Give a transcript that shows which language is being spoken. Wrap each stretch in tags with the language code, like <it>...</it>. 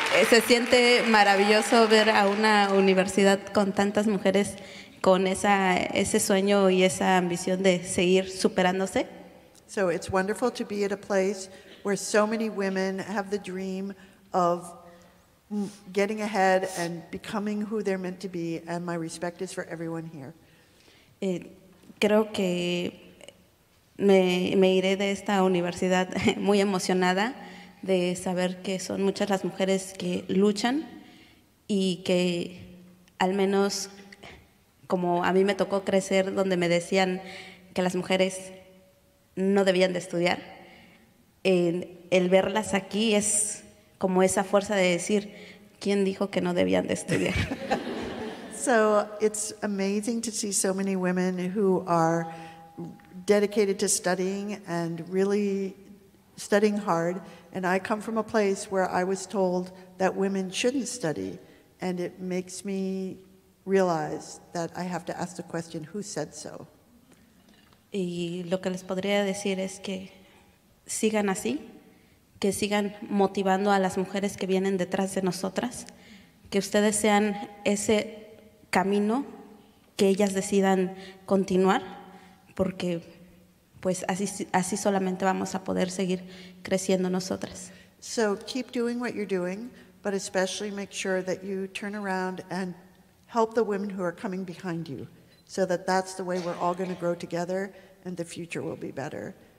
<es>Se siente maravilloso ver a una universidad con tantas mujeres con ese sueño y esa ambición de seguir superándose.</es> <en>So it's wonderful to be at a place where so many women have the dream of getting ahead and becoming who they're meant to be, and my respect is for everyone here.</en> <es>Creo que me iré de esta universidad muy emocionada de saber que son muchas las mujeres que luchan y que al menos como a mí me tocó crecer donde me decían que las mujeres no debían de estudiar. El verlas aquí es como esa fuerza de decir, ¿quién dijo que no debían de estudiar?</es> <en>So it's amazing to see so many women who are dedicated to studying and really studying hard. And I come from a place where I was told that women shouldn't study. And it makes me realize that I have to ask the question, who said so?</en> <es>Y lo que les podría decir es que sigan así, que sigan motivando a las mujeres que vienen detrás de nosotras, que ustedes sean ese camino que ellas decidan continuar, porque pues así solamente vamos a poder seguir creciendo nosotras.</es> <en>So keep doing what you're doing, but especially make sure that you turn around and help the women who are coming behind you, so that that's the way we're all going to grow together and the future will be better.</en>